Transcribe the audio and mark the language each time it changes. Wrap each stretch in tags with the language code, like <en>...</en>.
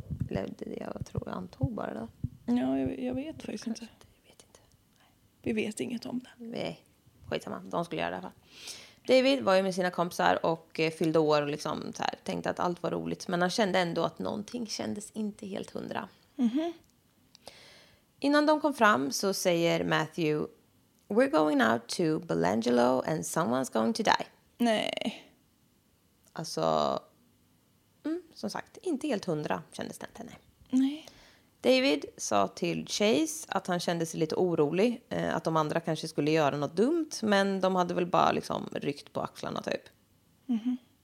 <sv>Eller det jag tror jag antog bara. Då. Ja, jag vet faktiskt inte. Jag vet inte. Nej. Vi vet inget om det. Nej, skitsamma. De skulle göra det här. David var ju med sina kompisar och fyllde år och liksom så här, tänkte att allt var roligt. Men han kände ändå att någonting kändes inte helt hundra. Mm-hmm. Innan de kom fram så säger Matthew,</sv> <en>"We're going out to Belangelo and someone's going to die."</en> <sv>Nej. Alltså, som sagt, inte helt hundra kändes det inte, nej. Nej. David sa till Chase att han kände sig lite orolig. Att de andra kanske skulle göra något dumt. Men de hade väl bara liksom ryckt på axlarna typ. Mm-hmm.</sv>